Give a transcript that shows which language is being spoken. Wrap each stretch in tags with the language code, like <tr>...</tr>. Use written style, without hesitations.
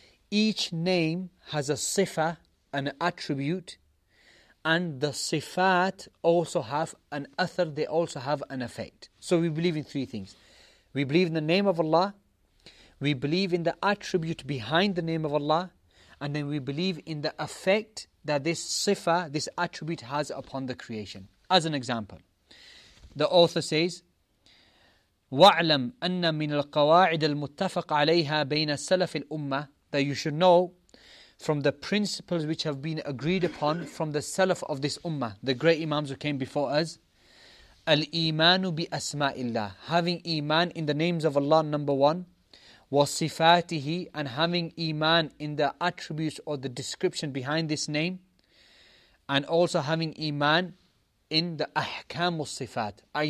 <en>Each name has a sifa, an attribute, and the sifat also have an athar, they also have an effect. So we believe in three things. We believe in the name of Allah, we believe in the attribute behind the name of Allah, and then we believe in the effect that this sifa, this attribute has upon the creation. As an example, the author says,</en> <ar>وَعْلَمْ أَنَّ مِنَ الْقَوَاعِدِ الْمُتَّفَقَ عَلَيْهَا بَيْنَ السَّلَفِ الْأُمَّةِ.</ar> <en>That you should know from the principles which have been agreed upon from the salaf of this ummah, the great imams who came before us.</en> <ar>الْإِيمَانُ بِأَسْمَاءِ اللَّهِ.</ar> <en>Having iman in the names of Allah, number one. وَصِفَاتِهِ, and having iman in the attributes or the description behind this name, and also having iman in the ahkam al-sifat, i.e.</en>